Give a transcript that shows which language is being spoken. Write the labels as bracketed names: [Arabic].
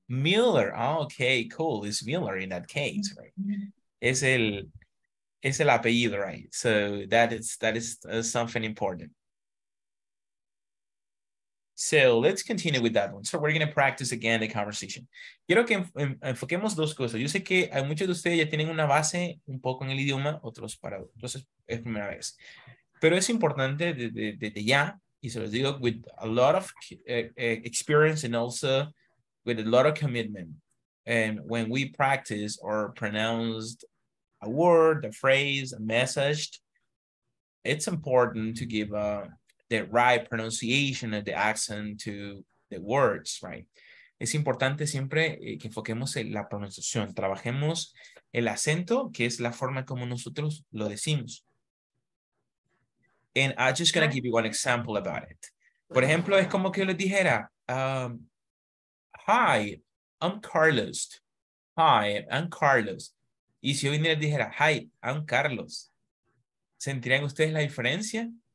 [English] Miller. Okay, cool. It's Miller in that case, right? [Spanish] Es el apellido, [English] right? [Spanish] So that is something important. [English] So let's continue with that one. So we're going to practice again the conversation. [Spanish] Quiero que enfoquemos dos cosas. Yo sé que hay muchos de ustedes ya tienen una base un poco en el idioma, otros para dos. Entonces es primera vez. Pero es importante de ya, y se los digo, [English] with a lot of experience and also with a lot of commitment. And when we practice or pronounce a word, a phrase, a message, it's important to give the right pronunciation and the accent to the words, right? [Spanish] Es importante siempre que enfoquemos en la pronunciación. Trabajemos el acento, que es la forma como nosotros lo decimos. [English] And I'm just going to give you one example about it. [Spanish] Por ejemplo, es como que yo les dijera, [English] hi, I'm Carlos. Hi, I'm Carlos. [Spanish] Y si yo viniera y dijera, [English] hi, I'm Carlos, [Spanish] ¿sentirían ustedes la diferencia?